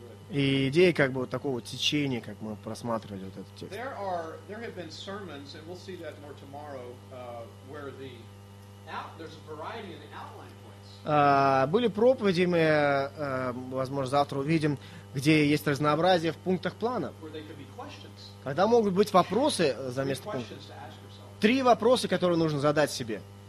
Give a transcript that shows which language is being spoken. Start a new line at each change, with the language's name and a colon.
Russian: И идея как бы вот такого течения, как мы просматривали вот этот текст.
English: There have been sermons, and we'll see that more tomorrow, where there's a variety in the outline.
Russian: Были проповеди, мы, возможно, завтра увидим, где есть разнообразие в пунктах плана. Когда могут быть вопросы за место пункта. Три вопроса, которые нужно задать себе.